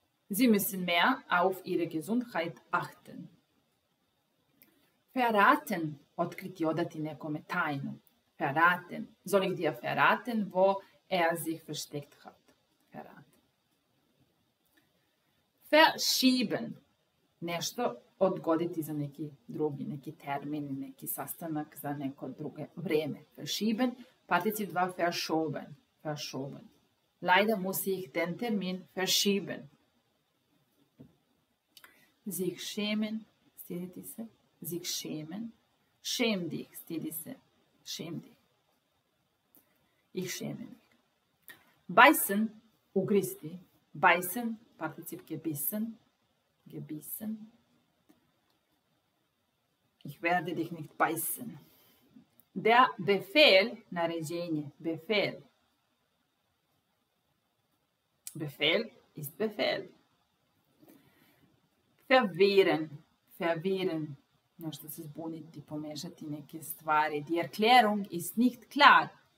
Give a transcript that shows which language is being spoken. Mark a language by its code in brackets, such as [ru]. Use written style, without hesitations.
[de] Sie müssen mehr auf ihre Gesundheit achten. Verraten. [sr] Otkriti, odati nekome tajnu. [de] Verraten. Soll ich dir verraten, wo er sich versteckt hat. Verraten. Verschieben. [sr] Nešto odgoditi za neki drugi, neki termin, neki sastanak za neko druge vreme. [de] Verschieben. Particip 2. Verschoben. Verschoben. Leider muss ich den Termin verschieben. Sich schämen. [sr] Stiditi se. [de] Sich schämen. Schäm dich. [sr] Stidi se. [de] Schäm dich. Ich schäme mich. Beißen, [sr] ugristi. [de] Beißen, Partizip gebissen. Gebissen. Ich werde dich nicht beißen. Der Befehl, [sr] naređenje, [de] Befehl. Befehl ist Befehl. Verwirren, verwirren. [sr] Nešto se zbuniti, pomešati neke stvari. [de] Die Erklärung ist nicht klar.